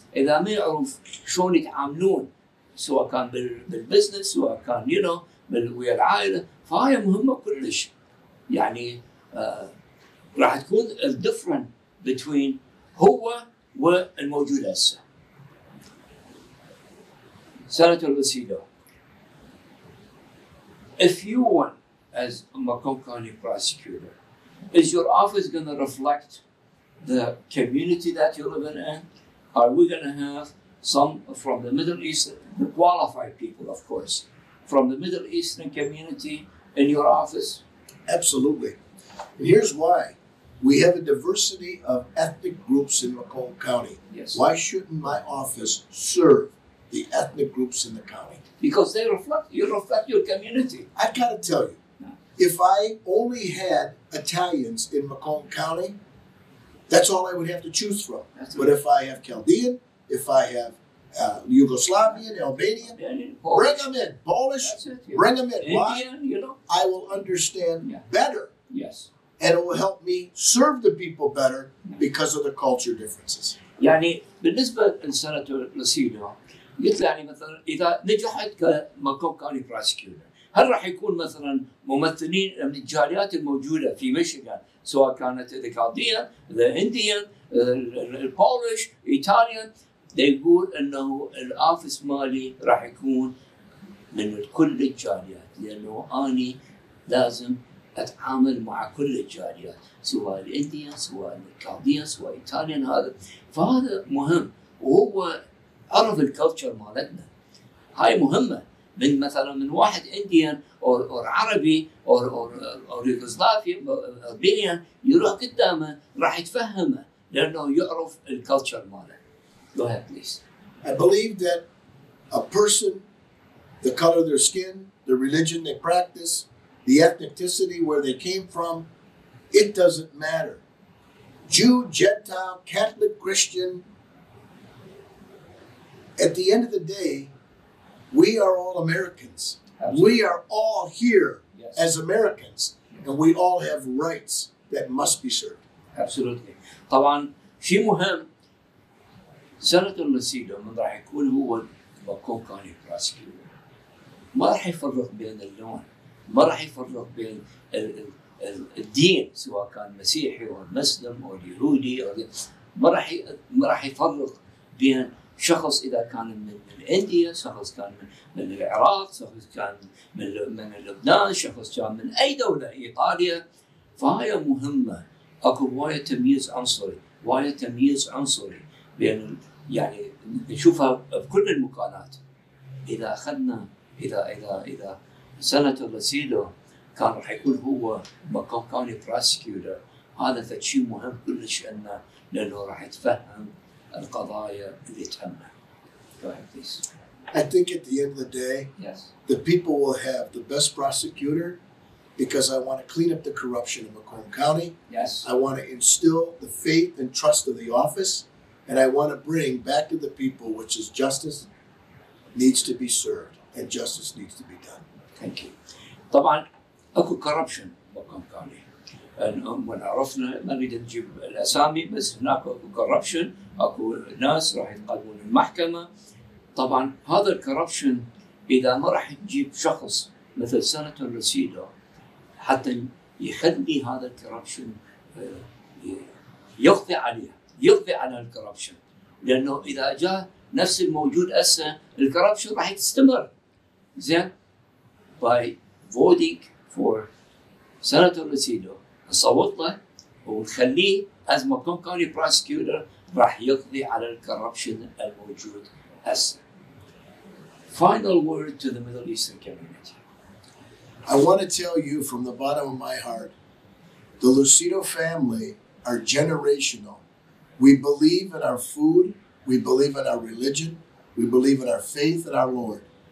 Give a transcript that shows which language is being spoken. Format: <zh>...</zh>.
<ar>إذا ما يعرف شلون يتعاملون سواء كان بالبزنس سواء كان</ar> <en>you know</en> <ar>بالويا العائلة فهاي مهمة كلش يعني راح تكون</ar> <en>different between</en> <ar>هو والموجود هسه.</ar> <en>Senator Lucido, if you won as a Macomb County prosecutor, is your office going to reflect the community that you're living in? Are we going to have some from the Middle East, the qualified people, of course, from the Middle Eastern community in your office? Absolutely. And here's why. We have a diversity of ethnic groups in Macomb County. Yes. Why shouldn't my office serve the ethnic groups in the county? Because they reflect, you reflect your community. I've got to tell you, if I only had Italians in Macomb County, that's all I would have to choose from. That's but if I have Chaldean, if I have Yugoslavian, Albanian, Polish. Bring them in. Polish, bring them in. Indian, why? You know? I will understand better. Yes. And it will help me serve the people better because of the culture differences.</en> <ar>يعني بالنسبة للسيناتور لوسيدو قلت له يعني مثلا إذا نجحت كمكوب كاوني براسكيولر هل راح يكون مثلا ممثلين من الجاليات الموجودة في ميشيغان سواء كانت الكالدية الهندية البولش إيطاليا يقول أنه الأوفيس مالي راح يكون من كل الجاليات لأنه أني لازم أتعامل مع كل الجاليات سواء الإنديا سواء الكالدية سواء إيطاليا هذا فهذا مهم وهو عرف الكالتشر مالتنا هاي مهمة من مثلا من واحد إنديان أو عربي أو يوغوسلافي أربينيان يروح قدامه راح يتفهمه لأنه يعرف الكالتشر ماله</ar> <en>Go ahead please I believe that a person the color of their skin the religion they practice the ethnicity where they came from it doesn't matter Jew Gentile Catholic Christian At the end of the day, we are all Americans. Absolutely. We are all here yes. as Americans, and we all have rights that must be served. Absolutely.</en> <ar>طبعا في مهم سيناتور لوسيدو من راح يكون هو المكون كوني براسكيو ما راح يفرق بين اللون ما راح يفرق بين الدين سواء كان مسيحي أو مسلم أو يهودي أو ما راح يفرق بين شخص إذا كان من الهندية، شخص كان من العراق، شخص كان من لبنان، شخص كان من أي دولة إيطاليا فهي مهمة أكو واية تمييز عنصري، واية تمييز عنصري بين يعني نشوفها بكل المكانات إذا أخذنا إذا إذا إذا سيناتور لوسيدو كان راح يكون هو مكون كوني براسكيولر هذا فشي مهم كلش أنه لأنه راح يتفهم القضايا اللي تهمها.</ar> <en>Go ahead, please. I think at the end of the day, yes. the people will have the best prosecutor because I want to clean up the corruption in Macomb County. Yes. I want to instill the faith and trust of the office and I want to bring back to the people which is justice needs to be served and justice needs to be done. Thank you.</en> <ar>طبعا اكو corruption Macomb County. When عرفنا ما نريد نجيب الأسامي بس هناك corruption أكو ناس راح يتقدمون المحكمة طبعاً هذا الكوربشن إذا ما راح يجيب شخص مثل سيناتور لوسيدو حتى يخلي هذا الكوربشن يغطي عليه يغطي على الكوربشن لأنه إذا جاء نفس الموجود أسه الكوربشن راح يستمر زين</ar> <en>by voting for</en> <ar>سيناتور لوسيدو صوت له ونخليه</ar> <en>as Macomb County prosecutor</en> <ar>راح يقضي على الكوربشن الموجود هسه.</ar> <en>Final word to the Middle Eastern community. I want to tell you from the bottom of my heart, the Lucido family are generational. We believe in our food, we believe in our religion, we believe in our faith and our Lord.</en>